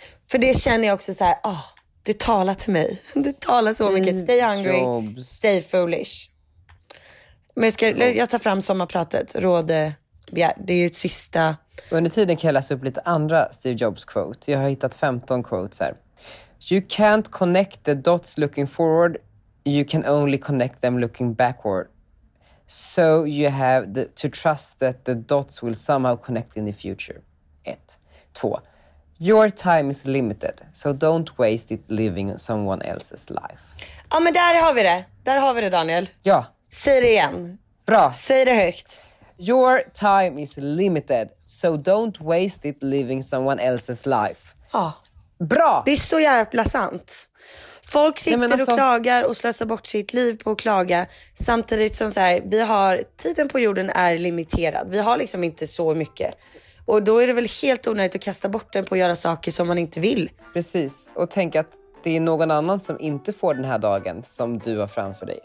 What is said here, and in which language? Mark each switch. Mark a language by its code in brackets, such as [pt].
[sv] För det känner jag också så här, det talar till mig. Det talar så mycket. [en] Stay hungry, Jobs. Stay foolish. [sv] Men jag tar fram sommarpratet. Det är ju ett sista... Under tiden kan jag läsa upp lite andra Steve Jobs quote. Jag har hittat 15 quotes här. [en] You can't connect the dots looking forward. You can only connect them looking backward. So you have to trust that the dots will somehow connect in the future. 1. 2. Your time is limited. So don't waste it living someone else's life. [sv] Ja, men där har vi det. Där har vi det, Daniel. Ja. Säg det igen. Bra. Säg det högt. [en] Your time is limited, so don't waste it living someone else's life. [sv] Ja. Bra! Det är så jävla sant. Folk sitter och klagar och slösar bort sitt liv på att klaga. Samtidigt som så här, vi har, tiden på jorden är limiterad. Vi har liksom inte så mycket. Och då är det väl helt onödigt att kasta bort den på att göra saker som man inte vill. Precis, och tänk att det är någon annan som inte får den här dagen som du har framför dig.